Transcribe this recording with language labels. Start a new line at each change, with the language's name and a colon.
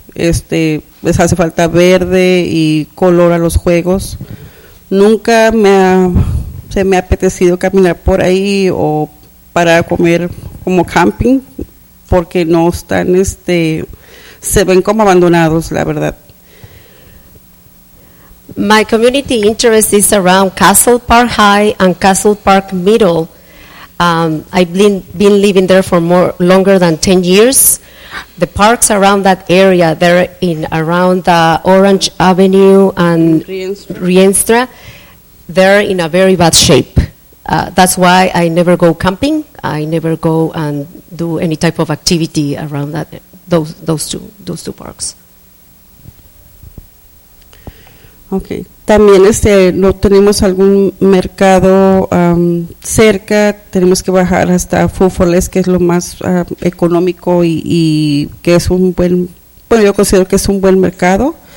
Spanish: Les hace falta verde y color a los juegos. Nunca se me ha apetecido caminar por ahí o para comer como camping, porque no están, se ven como abandonados, la verdad.
English: My community interest is around Castle Park High and Castle Park Middle. I've been living there for longer than 10 years. The parks around that area, they're in around the Orange Avenue and Riestra, they're in a very bad shape. That's why I never go camping. I never go and do any type of activity around that those two parks. Okay.
Spanish: También no tenemos algún mercado cerca, tenemos que bajar hasta Fúfoles, que es lo más económico y que es un buen, bueno, yo considero que es un buen mercado.